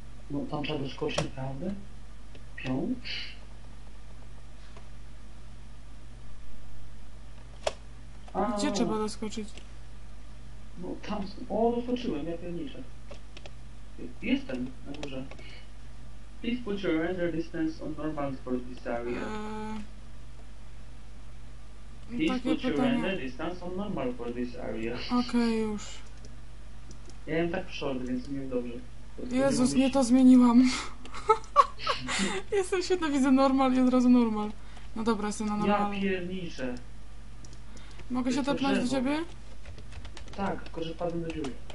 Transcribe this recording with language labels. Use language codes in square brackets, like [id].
[pl] No tam trzeba doskoczyć, naprawdę? Piąć? A gdzie trzeba doskoczyć? No tam są... O, doskoczyłem, ja pierniczę. Jestem na górze. [en] Please put your render distance on normal for this area. Please [pl] takie [en] put your [pl] pytanie. [en] Render distance on normal for this area. [pl] Okej, okay, już. Ja jestem tak short, więc nie wiem dobrze. Jezus, nie to zmieniłam. Jestem świetna, widzę normal i od razu normal. No dobra, jestem na normal. Ja pierniczę. Mogę się dotknąć do ciebie? Tak, tylko że padłem do dziury.